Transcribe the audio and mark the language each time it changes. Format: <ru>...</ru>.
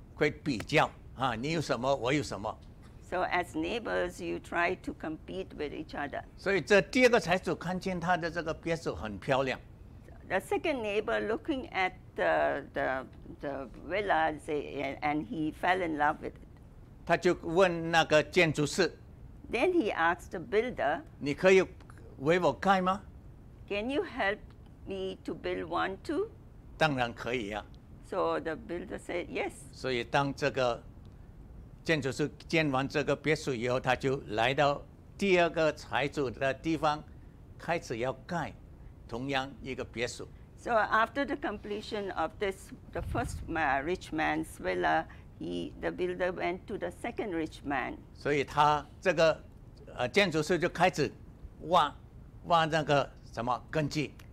<zh>我们知道邻居的话，我们就是个会比较啊，你有什么，我有什么。</zh> <en>So as neighbors, you try to compete with each other.</en> <zh>所以这第二个财主看见他的这个别墅很漂亮。</zh> <en>The second neighbor looking at the villa, and he fell in love with it.</en> <zh>他就问那个建筑师。</zh> <en>Then he asked the builder.</en> <zh>你可以为我盖吗？</zh> <en>Can you help me to build one too?</en> <zh>当然可以啊。</zh> <en>So the builder said yes.</en> <zh>所以当这个 建筑师建完这个别墅以后，他就来到第二个财主的地方，开始要盖同样一个别墅。</zh> <en>So after the completion of this, the first rich man's villa, the builder went to the second rich man.</en> <zh>所以他这个建筑师就开始挖那个什么根基。</zh>